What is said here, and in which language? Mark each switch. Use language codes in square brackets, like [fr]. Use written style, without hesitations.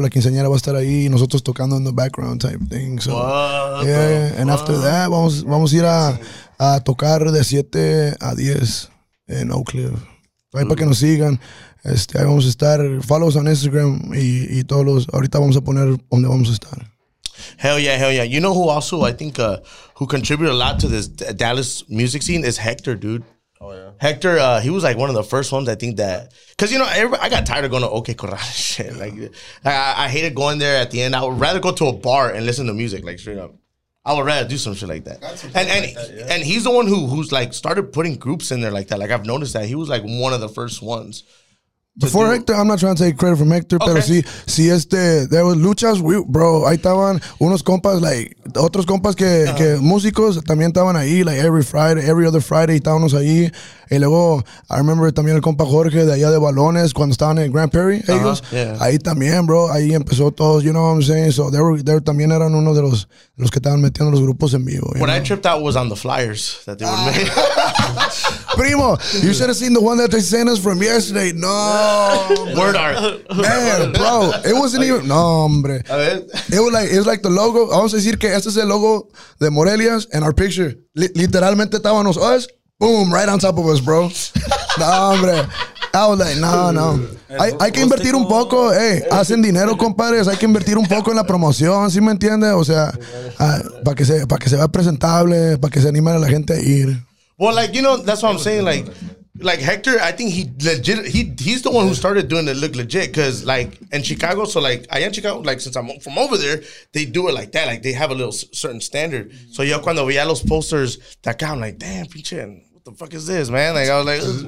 [es] La quinceañera va a estar ahí y nosotros tocando en [en] the background type thing. So, what, yeah, bro, and what? After that, [es] vamos a ir a tocar de 7 a 10 en Oakcliff. Ahí para que nos sigan. Ahí vamos a estar. [en] Follow us on Instagram [es] y todos los. Ahorita vamos a poner donde vamos a estar. [en] Hell yeah. You know who also, I think, who contributed a lot to this Dallas music scene is Hector, dude. Oh, yeah. Hector, he was like one of the first ones, I think, that. Because, you know, I got tired of going to OK Corral shit. Yeah. Like, I hated going there at the end. I would rather go to a bar and listen to music, like, straight up. I would rather do some shit like that. And he's the one who's like started putting groups in there like that. Like, I've noticed that. He was like one of the first ones. Before Hector, I'm not trying to take credit from Hector, okay. [es] Pero si [en] there was [es] luchas, bro, ahí estaban unos compas, like, otros compas que músicos también estaban ahí, [en] like, every Friday, every other Friday, [es] estábamos ahí, y luego, [en] I remember [es] también el compa Jorge de allá de Balones, cuando estaban en Grand Prairie, uh-huh. Ellos, [en] yeah. [es] Ahí también, bro, ahí empezó todo, [en] you know what I'm saying, so they [es] también eran uno de los que estaban metiendo los grupos en vivo. [en] When I tripped out was on the flyers that they would make. Primo, you should have seen the one that they sent us from yesterday. No. Word art. Man, bro, it wasn't even... [es] No, hombre. A ver. [en] It was like the logo. [es] Vamos a decir que este es el logo de Morelia's [en] and our picture. [es] Literalmente estábamos [en] us. Boom, right on top of us, bro. [es] No, hombre. [en] I was like, [es] no, no. Hay que invertir un poco. Hey, hacen dinero, compadres. Hay que invertir un poco en la promoción, ¿sí me entiendes? O sea, para que se vea presentable, para que se animen a la gente a ir. [en] Well, like, you know, that's what I'm saying. Like Hector, I think he's the one who started doing it look legit. Because, like, in Chicago, so, like, [es] allá en Chicago, [en] like, since I'm from over there, they do it like that. Like, they have a little certain standard. So, yo, [es] cuando veía los posters, [en] that guy, I'm like, damn, pinche... The fuck is this, man? Like, I was like,